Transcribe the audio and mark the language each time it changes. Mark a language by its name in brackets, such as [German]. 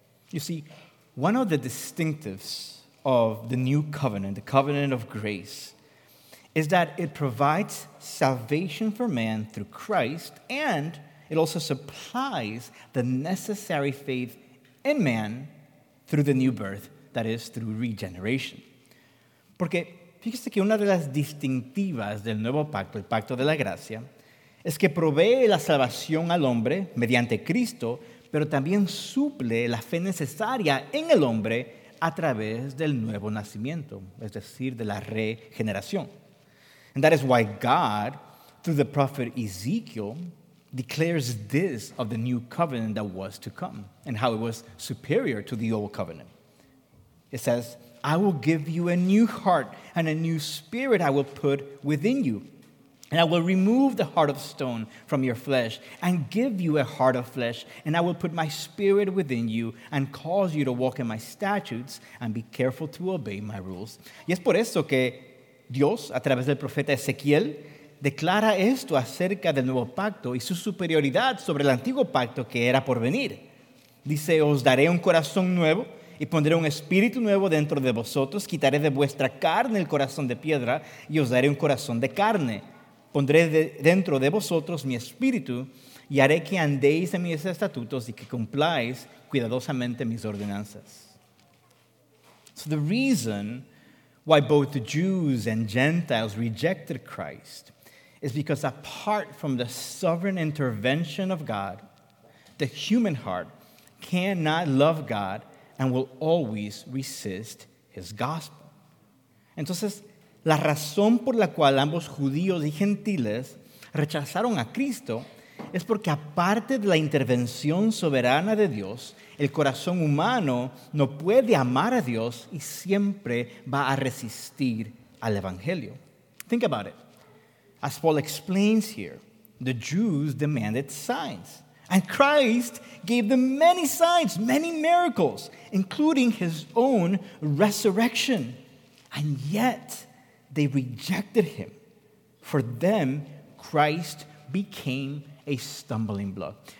[English] You see, one of the distinctives of the new covenant, the covenant of grace, is that it provides salvation for man through Christ and it also supplies the necessary faith in man through the new birth, that is, through regeneration. [Spanish] Porque fíjese que una de las distintivas del nuevo pacto, el pacto de la gracia, es que provee la salvación al hombre mediante Cristo, pero también suple la fe necesaria en el hombre a través del nuevo nacimiento, es decir, de la regeneración. [English] And that is why God, through the prophet Ezekiel, declares this of the new covenant that was to come and how it was superior to the old covenant. It says, I will give you a new heart and a new spirit I will put within you. And I will remove the heart of stone from your flesh and give you a heart of flesh. And I will put my spirit within you and cause you to walk in my statutes and be careful to obey my rules. [Spanish] Y es por eso que Dios, a través del profeta Ezequiel, declara esto acerca del nuevo pacto y su superioridad sobre el antiguo pacto que era por venir. Dice, os daré un corazón nuevo y pondré un espíritu nuevo dentro de vosotros. Quitaré de vuestra carne el corazón de piedra y os daré un corazón de carne. Pondré dentro de vosotros mi espíritu y haré que andéis en mis estatutos y que cumpláis cuidadosamente mis ordenanzas. [English] So the reason why both the Jews and Gentiles rejected Christ is because apart from the sovereign intervention of God, the human heart cannot love God and will always resist his gospel. [Spanish] Entonces, la razón por la cual ambos judíos y gentiles rechazaron a Cristo es porque aparte de la intervención soberana de Dios, el corazón humano no puede amar a Dios y siempre va a resistir al Evangelio. [English] Think about it. As Paul explains here, the Jews demanded signs. And Christ gave them many signs, many miracles, including his own resurrection. And yet, they rejected him. For them, Christ became a stumbling block.